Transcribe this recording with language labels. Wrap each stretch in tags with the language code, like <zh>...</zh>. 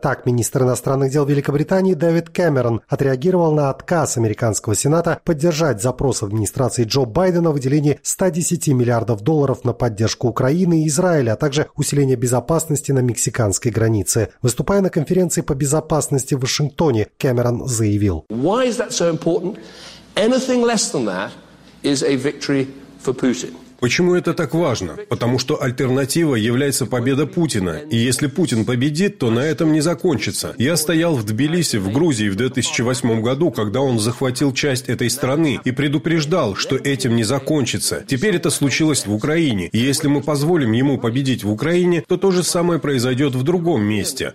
<ru>Так министр иностранных дел Великобритании Дэвид Кэмерон отреагировал на отказ американского Сената поддержать запрос администрации Джо Байдена о выделении 110 миллиардов долларов на поддержку Украины и Израиля, а также усиление безопасности на мексиканской границе. Выступая на конференции по безопасности в Вашингтоне, Кэмерон заявил:</ru> <en>«Why is that so important? Anything less than that is a victory for Putin».</en> <ru>Почему это так важно? Потому что альтернатива является победа Путина. И если Путин победит, то на этом не закончится. Я стоял в Тбилиси, в Грузии, в 2008 году, когда он захватил часть этой страны, и предупреждал, что этим не закончится. Теперь это случилось в Украине. И если мы позволим ему победить в Украине, то же самое произойдет в другом месте.</ru>